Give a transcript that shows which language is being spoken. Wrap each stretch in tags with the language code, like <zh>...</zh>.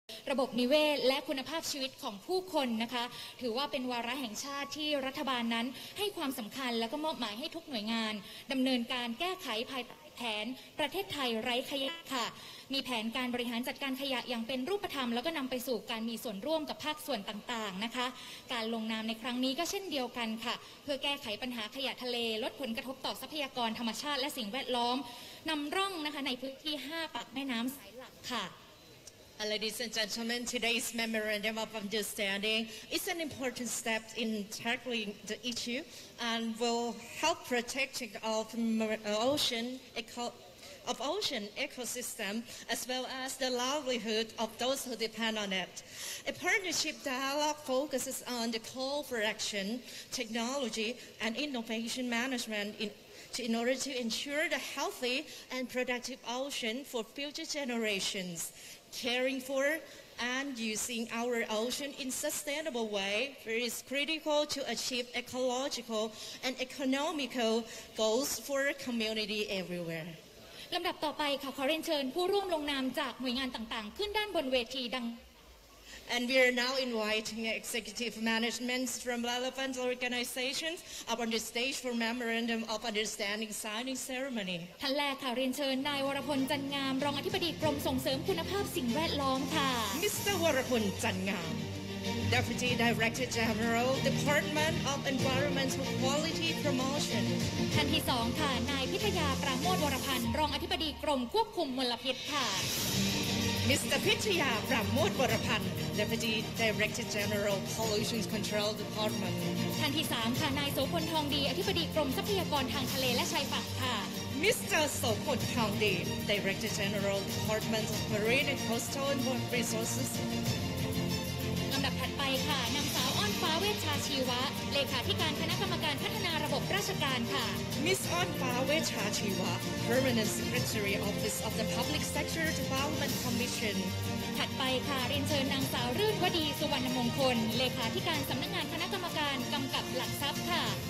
<th>ระบบนิเวศและคุณภาพชีวิตของผู้คนนะคะถือว่าเป็นวาระแห่งชาติที่รัฐบาลนั้นให้ความสำคัญแล้วก็มอบหมายให้ทุกหน่วยงานดำเนินการแก้ไขภายใต้แผนประเทศไทยไร้ขยะค่ะมีแผนการบริหารจัดการขยะอย่างเป็นรูปธรรมแล้วก็นำไปสู่การมีส่วนร่วมกับภาคส่วนต่างๆนะคะการลงนามในครั้งนี้ก็เช่นเดียวกันค่ะเพื่อแก้ไขปัญหาขยะทะเลลดผลกระทบต่อทรัพยากรธรรมชาติและสิ่งแวดล้อมนำร่องนะคะในพื้นที่5ปากแม่น้ำสายหลักค่ะ</th> <en>Ladies and gentlemen, today's memorandum of understanding is an important step in tackling the issue and will help protecting of ocean ecosystem as well as the livelihood of those who depend on it. A partnership dialogue focuses on the call for action, technology and innovation management in order to ensure the healthy and productive ocean for future generations. Caring for and using our ocean in sustainable way is critical to achieve ecological and economical goals for community everywhere.</en> <th>ลำดับต่อไปค่ะขอเรียนเชิญผู้ร่วมลงนามจากหน่วยงานต่างๆขึ้นด้านบนเวทีดัง</th> <en>And we are now inviting executive management from relevant organizations up on the stage for memorandum of understanding signing ceremony.</en> <th>ท่านแรกค่ะเรียนเชิญนายวรพลจันงามรองอธิบดีกรมส่งเสริมคุณภาพสิ่งแวดล้อมค่ะ</th> <en>Mr. วรพลจันงามDeputy Director General, Department of Environmental Quality Promotion.</en> <th>ท่านที่สองค่ะนายพิทยาประโมทวรพันธ์รองอธิบดีกรมควบคุมมลพิษค่ะ</th> <en>Mr. พิทยาประโมทวรพันธ์ Deputy Director General, Pollution Control Department.</en> <th>ท่านที่สามค่ะนายโสพลทองดีอธิบดีกรมทรัพยากรทางทะเลและชายฝั่งค่ะ</th> <en>Mr. Sokot Pongdi, Director General, Department of Marine and Coastal and Water Resources.</en> <th>ลำดับถัดไปค่ะนางสาวอ้อนฟ้าเวชชาชีวะเลขาธิการคณะกรรมการพัฒนาระบบราชการค่ะ</th> <en>Miss อ้อนฟ้าเวชชาชีวะ Permanent Secretary Office of the Public Sector Development Commission.</en> <th>ถัดไปค่ะเรียนเชิญนางสาวรื่นวดีสุวรรณมงคลเลขาธิการสำนักงานคณะกรรมการกำกับหลักทรัพย์ค่ะ</th>